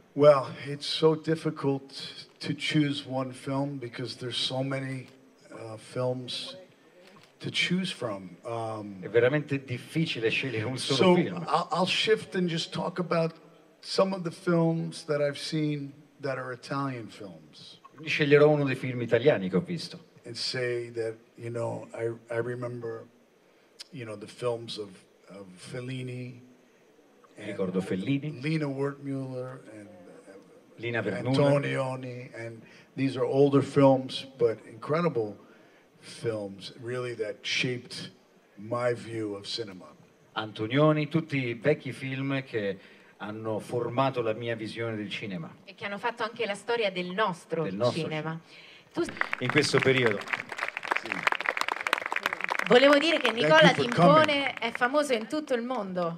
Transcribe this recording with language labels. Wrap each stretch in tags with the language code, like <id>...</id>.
<en>Well, it's so difficult to choose one film because there's so many films to choose from.</en> <it>È veramente difficile scegliere un solo film.</it> <en>I'll shift and just talk about some of the films that I've seen that are Italian films.</en> <it>Quindi sceglierò uno dei film italiani che ho visto.</it> <en>And say that, you know, I remember, you know, the films of of Fellini.</en> <it>Ricordo Fellini.</it> <en>Lina Wertmüller and Lina Antonioni, and these are older films, but incredible films, really, that shaped my view of cinema.</en> <it>Antonioni, tutti vecchi film che hanno formato la mia visione del cinema. E che hanno fatto anche la storia del nostro cinema. In questo periodo. Sì. Volevo dire che Nicola Timpone è famoso in tutto il mondo.</it>